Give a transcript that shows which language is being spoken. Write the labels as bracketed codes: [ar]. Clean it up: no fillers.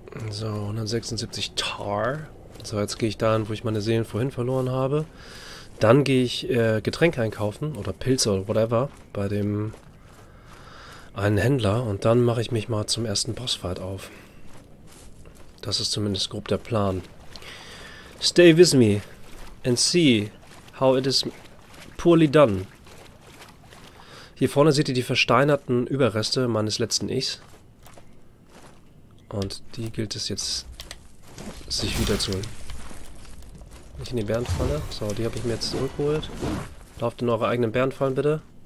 [de] So, 176 Tar. So, jetzt gehe ich dahin, wo ich meine Seelen vorhin verloren habe. Dann gehe ich Getränke einkaufen oder Pilze oder whatever bei dem einen Händler. Und dann mache ich mich mal zum ersten Bossfight auf. Das ist zumindest grob der Plan. [en] Stay with me and see how it is poorly done. [de] Hier vorne seht ihr die versteinerten Überreste meines letzten Ichs. Und die gilt es jetzt, sich wieder zu holen. Nicht in die Bärenfalle. So, die habe ich mir jetzt zurückgeholt. Lauft in eure eigenen Bärenfallen, bitte.